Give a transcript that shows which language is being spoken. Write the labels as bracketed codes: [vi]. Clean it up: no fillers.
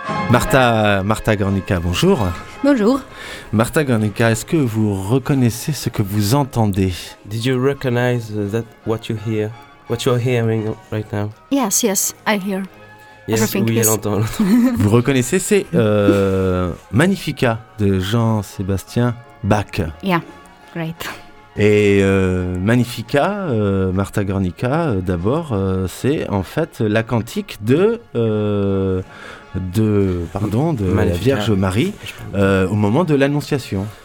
[fr] Marta Gornica, bonjour. Bonjour. Marta Gornica, est-ce que vous reconnaissez ce que vous entendez? [en] Did you recognize that what you hear, what you are hearing right now? Yes, yes, I hear. Yes, everything. [fr] Oui, yes. L'entend. Vous reconnaissez, c'est Magnifica de Jean-Sébastien Bach. [en] Yeah, great. [fr] Et Magnifica, Marta Gornica, d'abord, c'est en fait la cantique de la Vierge Marie au moment de l'Annonciation.